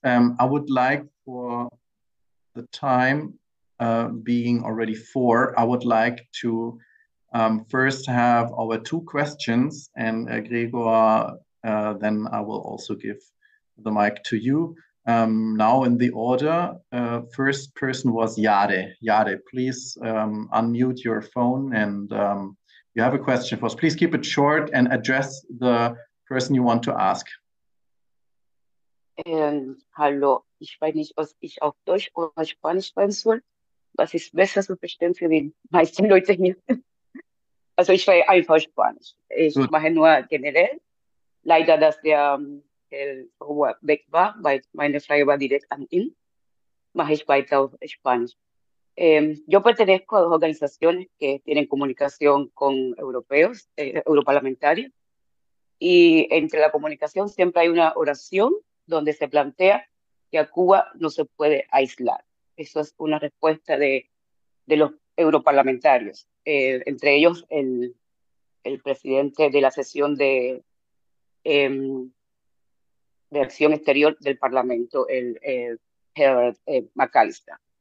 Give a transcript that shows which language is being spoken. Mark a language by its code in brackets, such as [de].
[en] I would like, for the time being already four, I would like to first have our two questions, and Gregor, then I will also give the mic to you. Now in the order, first person was Jade. Jade, please unmute your phone, and you have a question for us. Please keep it short and address the person you want to ask. [de] Hallo, ich weiß nicht, ob ich auf Deutsch oder Spanisch sprechen soll. Das ist besser zu verstehen für die meisten Leute hier. Also ich rede einfach Spanisch. Ich mache nur generell. Leider, dass der Rohwer weg war, weil meine Frage war direkt an ihn. Mache ich weiter auf Spanisch. [es] Yo pertenezco a dos organizaciones que tienen comunicación con europeos, europarlamentarios, y entre la comunicación siempre hay una oración donde se plantea que a Cuba no se puede aislar. Eso es una respuesta de los europarlamentarios, entre ellos el presidente de la sesión de acción exterior del Parlamento, el Herbert McAllister.